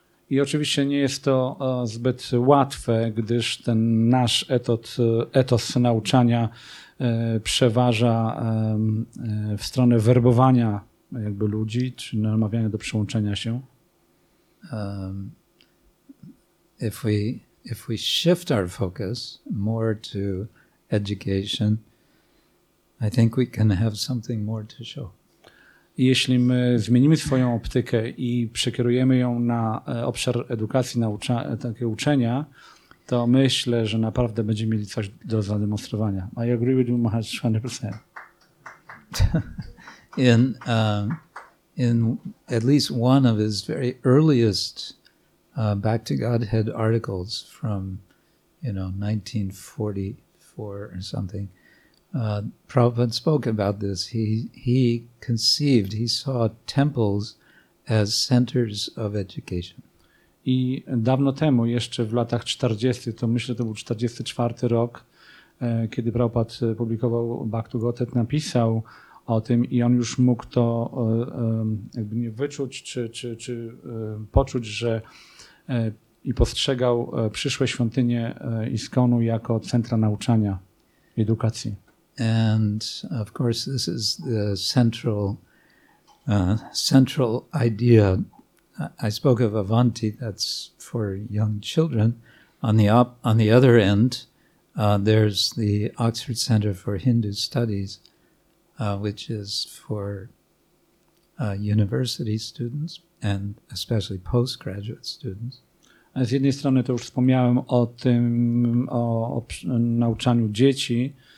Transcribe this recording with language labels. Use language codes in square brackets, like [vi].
[pl] I oczywiście nie jest to zbyt łatwe, gdyż ten nasz etos nauczania przeważa w stronę werbowania jakby ludzi, czy namawiania do przyłączenia się. [en] If we shift our focus more to education, I think we can have something more to show. [pl] Jeśli my zmienimy swoją optykę i przekierujemy ją na obszar edukacji, takie uczenia, to myślę, że naprawdę będziemy mieli coś do zademonstrowania. [en] I agree with you 100%. In at least one of his very earliest Back to Godhead articles from, 1944 or something, Prabhupada spoke about this. He saw temples as centers of education. [pl] I dawno temu, jeszcze w latach 40, to myślę, to był 44 rok, kiedy Prabhupada publikował Back to Godhead, napisał o tym i on już mógł to jakby nie wyczuć czy poczuć, że i postrzegał przyszłe świątynie ISKCON-u jako centra nauczania, edukacji. [en] And of course, this is the central idea. I spoke of Avanti, that's for young children. On the other end, there's the Oxford Center for Hindu Studies, which is for university students and especially postgraduate students. [pl] Z jednej strony to już wspomniałem o tym, o nauczaniu dzieci.